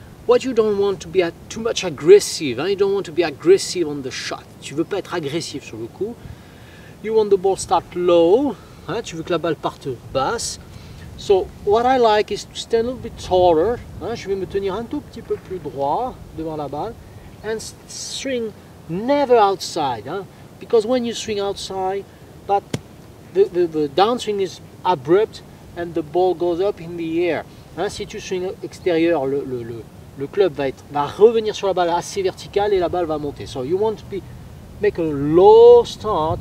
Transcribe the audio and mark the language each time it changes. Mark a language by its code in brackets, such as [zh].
[en] What you don't want to be too much aggressive. You don't want to be aggressive on the shot. [fr] Tu ne veux pas être agressif sur le coup. [en] You want the ball start low. [fr] Tu veux que la balle parte basse. [en] So what I like is to stand a little bit taller. [fr] Je vais me tenir un tout petit peu plus droit devant la balle. [en] And swing never outside. Because when you swing outside, but the downswing is abrupt and the ball goes up in the air. [fr] Si tu swing extérieur, le club va revenir sur la balle assez verticale et la balle va monter. [en] So you want to make a low start.